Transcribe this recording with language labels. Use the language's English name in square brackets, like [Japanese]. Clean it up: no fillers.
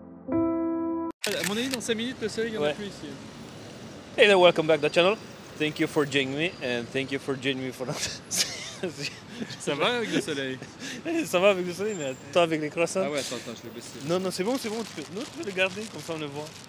[French] À mon avis, dans 5 minutes, le soleil, il n'y en a plus ici. [English] Hey there, welcome back to the channel. Thank you for joining me and thank you for joining me for another. [French] Ça va avec le soleil? Ça va avec le soleil, mais toi avec les croissants? Ah ouais, attends, je vais baisser. Non, c'est bon, tu peux le garder comme ça on le voit.